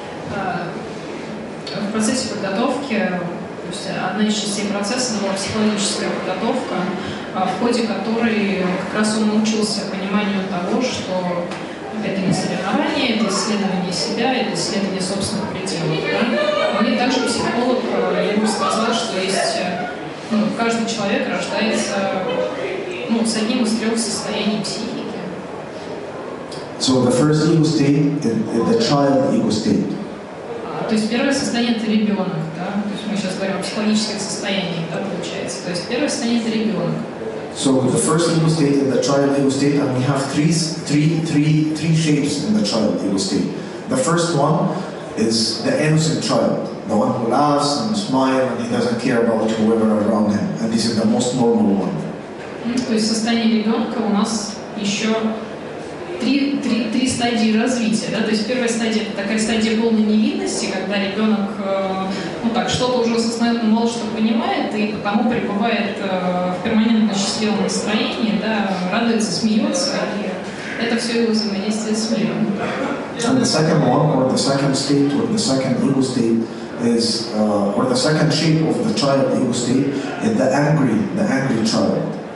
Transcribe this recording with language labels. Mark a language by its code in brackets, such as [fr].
[ru] В процессе подготовки, то есть одна из частей процесса была психологическая подготовка, в ходе которой как раз он научился пониманию того, что это не соревнование, это исследование себя, это исследование собственных пределов. Да? И также психолог ему сказал, что есть, ну, каждый человек рождается, ну, с одним из 3 состояний психики. [en] So the first ego state is the child ego state. [ru] То есть первое состояние — это ребенок, да? То есть мы сейчас говорим о психологическом состоянии, да, получается. То есть первое состояние — это ребенок. [en] So the first ego state and the child ego state, and we have three shapes in the child ego state. The first one is the innocent child, the one who laughs and smiles and he doesn't care about whoever around him, and this is the most normal one. [ru] То есть состояние ребенка у нас еще три стадии развития, да, то есть первая стадия — это такая стадия полной невинности, когда ребенок, ну так, что-то уже осознает, но мало что понимает, и потому пребывает в перманентно счастливом настроении, да, радуется, смеется, и это все его взаимодействие с миром. [en] And the second one, or the second state, or the second ego state, is, or the second shape of the child ego state, is the angry child.